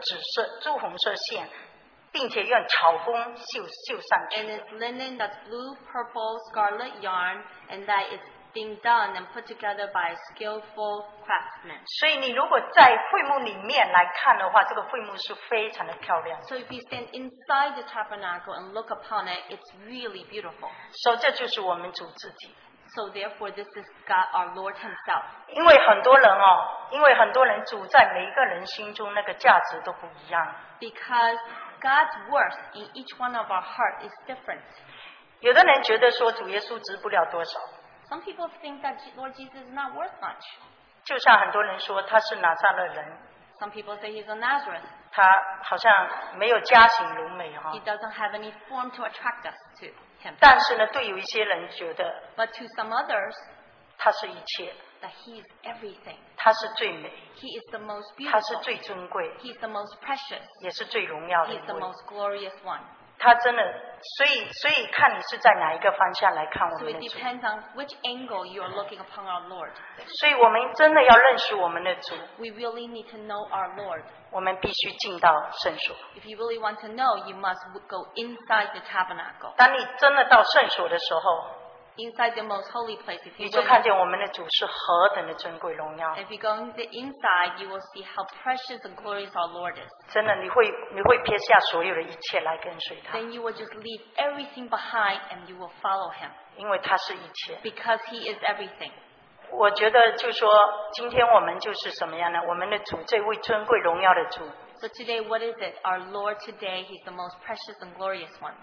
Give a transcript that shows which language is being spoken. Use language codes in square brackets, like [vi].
[zh] 然后它是用细麻、蓝色、紫色、朱红色线, 并且用草工绣上去。 [en] And it's linen that's blue, purple, scarlet yarn, and that is being done and put together by a skillful craftsman. [zh] 所以你如果在会幕里面来看的话, 这个会幕是非常的漂亮。 [en] So if you stand inside the tabernacle and look upon it, it's really beautiful. So [zh] 这就是我们主自己。 [en] So therefore, this is God, our Lord Himself. [zh] 因为很多人哦, 因为很多人主在每一个人心中那个价值都不一样。 [en] Because God's worth in each one of our heart is different. [zh] 有的人觉得说主耶稣值不了多少。 [en] Some people think that Lord Jesus is not worth much. [zh] 就像很多人说他是拿撒勒人, [en] some people say he's a Nazareth. [zh] 他好像没有家庭如美, [en] he doesn't have any form to attract us to him. [zh] 但是呢, 对有一些人觉得, [en] but to some others, [zh] 他是一切, [en] that he is everything. [zh] 他是最美, [en] he is the most beautiful. [zh] 他是最尊贵, [en] he is the most precious. [zh] 也是最荣耀的一位, [en] he is the most glorious one. [zh] 他真的, 所以看你是在哪一个方向来看我们的主。 [en] So it depends on which angle you are looking upon our Lord. [zh] 所以我们真的要认识我们的主。 [en] We really need to know our Lord. [zh] 我们必须进到圣所。 [en] If you really want to know, you must go inside the tabernacle. [zh] 当你真的到圣所的时候, [en] inside the most holy place, if you [zh] 你就看见我们的主是何等的尊贵荣耀。 [en] If you go into the inside, you will see how precious and glorious our Lord is. [zh] 真的你会撇下所有的一切来跟随他。 [en] Then you will just leave everything behind and you will follow him. [zh] 因为他是一切。 [en] Because he is everything. [zh] 我觉得就说今天我们就是什么样呢?我们的主这位尊贵荣耀的主。 [en] So today, what is it? Our Lord today, he's the most precious and glorious one.